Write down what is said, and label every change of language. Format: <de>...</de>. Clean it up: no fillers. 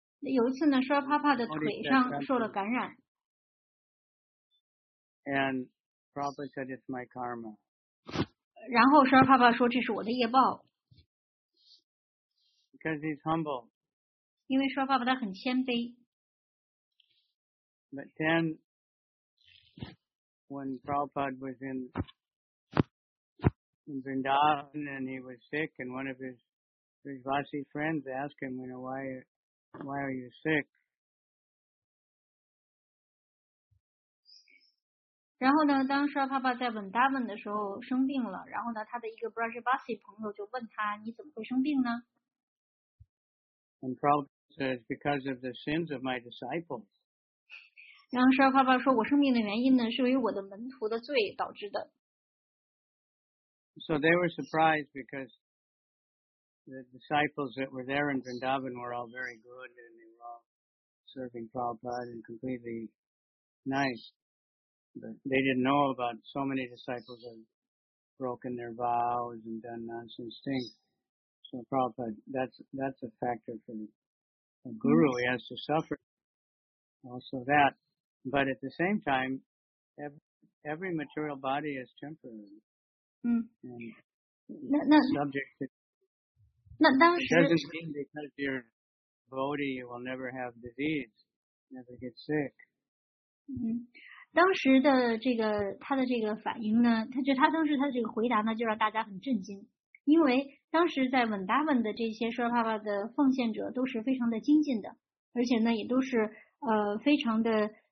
<zh>有一次呢，舒拉帕帕的腿上受了感染。</zh> <en>And Prabhupada said it's my karma.</en> <zh>然后舒拉帕帕说这是我的业报。</zh> <en>Because he's humble.</en> <zh>因为舒拉帕帕他很谦卑。</zh> <en>But then, when Prabhupada was in Vrindavan and he was sick, and one of his Vrijvasi friends asked him, you know, why are you sick?</en> <zh>然后呢，当舒拉帕帕在 Vrindavan 的时候生病了，然后呢，他的一个 Vrijvasi 朋友就问他，你怎么会生病呢？</zh> <en>And Prabhupada says, because of the sins of my disciples.</en> <zh>然后舒拉帕帕说：“我生病的原因呢，是由于我的门徒的罪导致的。”</zh> <en>So they were surprised because the disciples that were there in Vrindavan were all very good and they were all serving Prabhupada and completely nice. But they didn't know about so many disciples had broken their vows and done nonsense things. So Prabhupada, that's a factor for a guru. He has to suffer also that. But at the same time, every material body is temporary. Subject to.</en> <zh>那当时。</zh> <en>It doesn't mean because you're a body, you will never have disease, never get sick.</en> <zh>当时的这个他的这个反应呢，他当时他的这个回答呢，就让大家很震惊，因为当时在稳达稳的这些舒拉帕帕的奉献者都是非常的精进的，而且呢，也都是非常的。</zh>